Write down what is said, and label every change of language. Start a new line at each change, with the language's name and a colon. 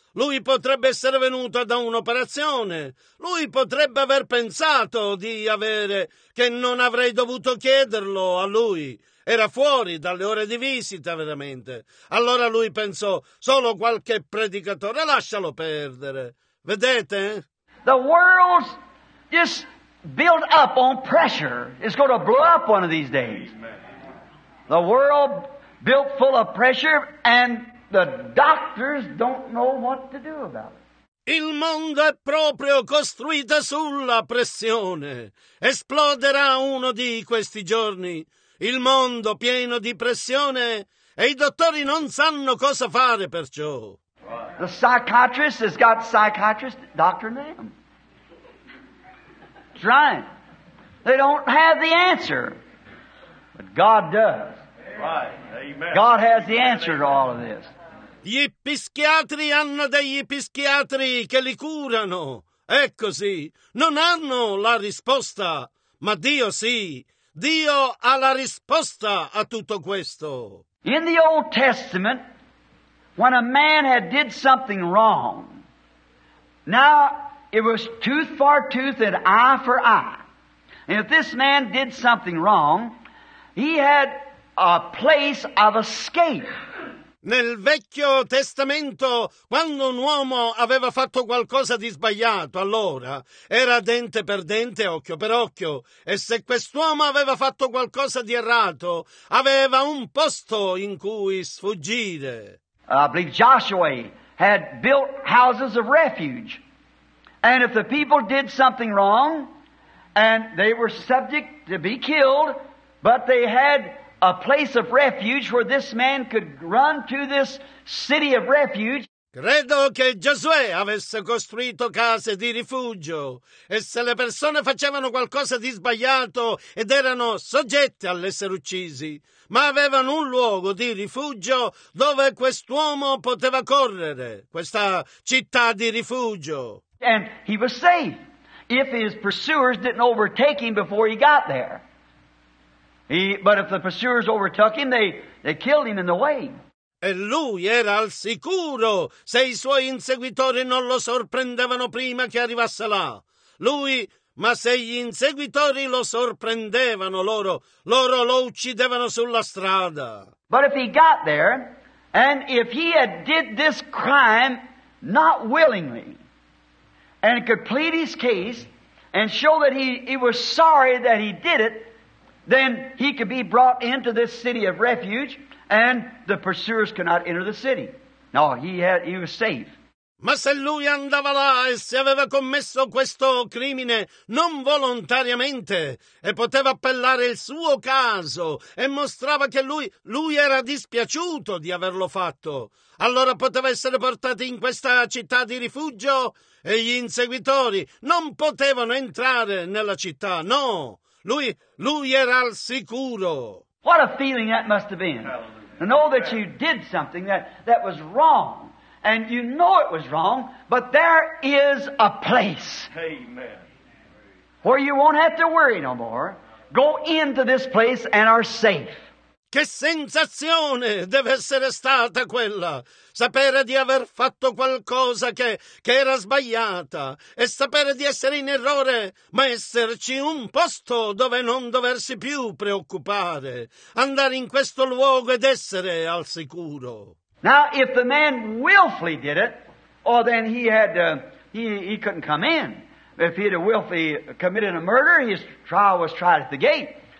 Italian: Lui potrebbe essere venuto da un'operazione. Lui potrebbe aver pensato di avere... che non avrei dovuto chiederlo a lui. Era fuori dalle ore di visita, veramente. Allora lui pensò, solo qualche predicatore, lascialo perdere. Vedete?
English: The world's just built up on pressure. It's going to blow up one of these days. The world built full of pressure and the doctors don't know what to do about it.
Italian: Il mondo è proprio costruito sulla pressione. Esploderà uno di questi giorni. Il mondo pieno di pressione e i dottori non sanno cosa fare perciò.
English: The psychiatrist has got psychiatrist doctor name. Trying. They don't have the answer. But God does. God has the answer to all of this.
Italian: Gli psichiatri hanno degli psichiatri che li curano. È così. Non hanno la risposta, ma Dio sì. Dio ha la risposta a tutto questo.
English: In the Old Testament, when a man had did something wrong, now it was tooth for tooth and eye for eye. And if this man did something wrong, he had a place of escape.
Italian: Nel Vecchio Testamento, quando un uomo aveva fatto qualcosa di sbagliato, allora era dente per dente, occhio per occhio. E se quest'uomo aveva fatto qualcosa di errato, aveva un posto in cui sfuggire.
English: I believe Joshua had built houses of refuge. And if the people did something wrong, and they were subject to be killed, but they had a place of refuge where this man could run to this city of refuge.
Italian: Credo che Giosuè avesse costruito case di rifugio. E se le persone facevano qualcosa di sbagliato ed erano soggette all'essere uccisi, ma avevano un luogo di rifugio dove quest'uomo poteva correre, questa città di rifugio.
English: And he was safe if his pursuers didn't overtake him before he got there. But if the pursuers overtook him, they killed him in the way.
Italian: e lui era al sicuro se i suoi inseguitori non lo sorprendevano prima che arrivasse là. Ma se gli inseguitori lo sorprendevano, loro lo uccidevano sulla strada.
English: But if he got there, and if he had did this crime not willingly, and could plead his case, and show that he was sorry that he did it, then he could be brought into this city of refuge, and the pursuers could not enter the city. No, he was safe.
Italian: Ma se lui andava là e se aveva commesso questo crimine non volontariamente e poteva appellare il suo caso e mostrava che lui era dispiaciuto di averlo fatto, allora poteva essere portato in questa città di rifugio e gli inseguitori non potevano entrare nella città. No, lui era al sicuro.
English: What a feeling that must have been. To know that you did something that was wrong. And you know it was wrong, but there is a place. Amen. Where you won't have to worry no more. Go into this place and are safe.
Italian: Che sensazione deve essere stata quella? Sapere di aver fatto qualcosa che era sbagliata e sapere di essere in errore, ma esserci un posto dove non doversi più preoccupare. Andare in questo luogo ed essere al sicuro.
English: Now, if the man willfully did it, oh, then he had he couldn't come in. If he had willfully committed a murder, his trial was tried at the gate.